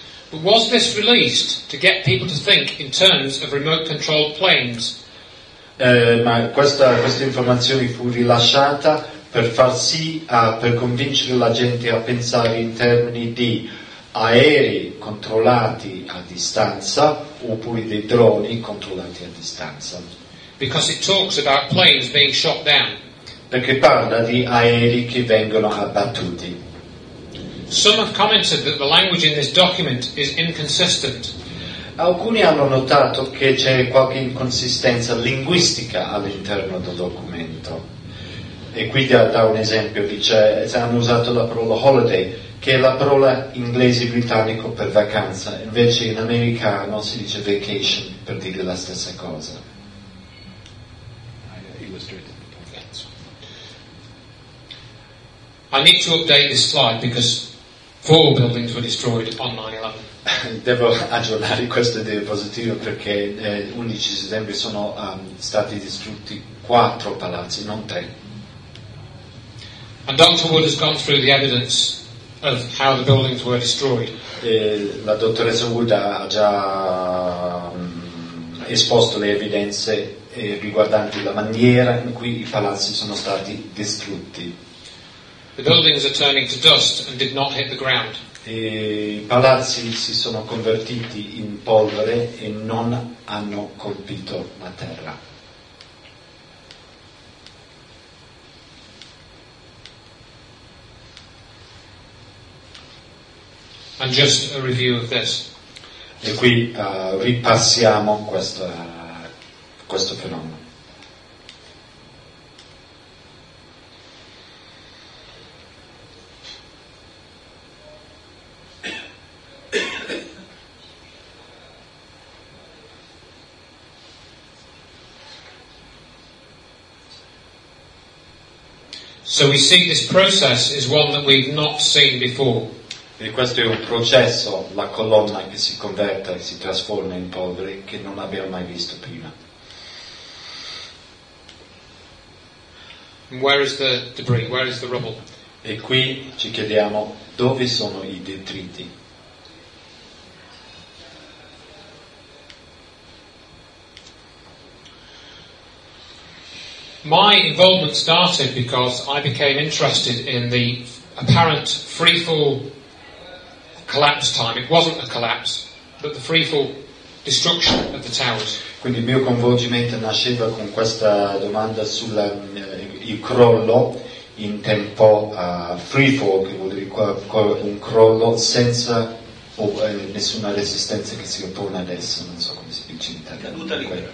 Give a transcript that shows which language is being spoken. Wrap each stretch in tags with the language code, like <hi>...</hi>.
<en>But was this released to get people to think in terms of remote controlled planes?</en> <it>Ma questa informazione fu rilasciata per far sì, per convincere la gente a pensare in termini di aerei controllati a distanza oppure dei droni controllati a distanza.</it> <en>Because it talks about planes being shot down.</en> <it>Perché parla di aerei che vengono abbattuti.</it> <en>Some have commented that the language in this document is inconsistent.</en> <it>Alcuni hanno notato che c'è qualche inconsistenza linguistica all'interno del documento. e qui dà un esempio, dice, hanno usato la parola holiday, che è la parola inglese britannico per vacanza, invece in americano si dice vacation per dire la stessa cosa.</it> <en>I need to update this slide because four buildings were destroyed on 9/11.</en> <it>Devo aggiornare questo diapositivo perché 11 settembre sono stati distrutti 4 palazzi, non 3.</it> <en>And Dr. Wood has gone through the evidence of how the buildings were destroyed.</en> <it>La dottoressa Wood ha già esposto le evidenze riguardanti la maniera in cui i palazzi sono stati distrutti.</it> <en>The buildings are turning to dust and did not hit the ground.</en> <it>I palazzi si sono convertiti in polvere e non hanno colpito la terra.</it> <en>And just a review of this.</en> <it>E qui ripassiamo questo fenomeno.</it> <en>So we see this process is one that we've not seen before.</en> <it>E questo è un processo, la colonna che si converte e si trasforma in polvere che non abbiamo mai visto prima.</it> <en>Where is the debris? Where is the rubble?</en> <it>E qui ci chiediamo dove sono i detriti.</it> <en>My involvement started because I became interested in the apparent freefall collapse time. It wasn't a collapse, but the freefall destruction of the towers.</en> <it>Quindi il mio coinvolgimento nasceva con questa domanda sul il crollo in tempo freefall, che vuol dire un crollo senza nessuna resistenza che si oppone ad esso. Non so come si dice in italiano. Caduta libera.</it>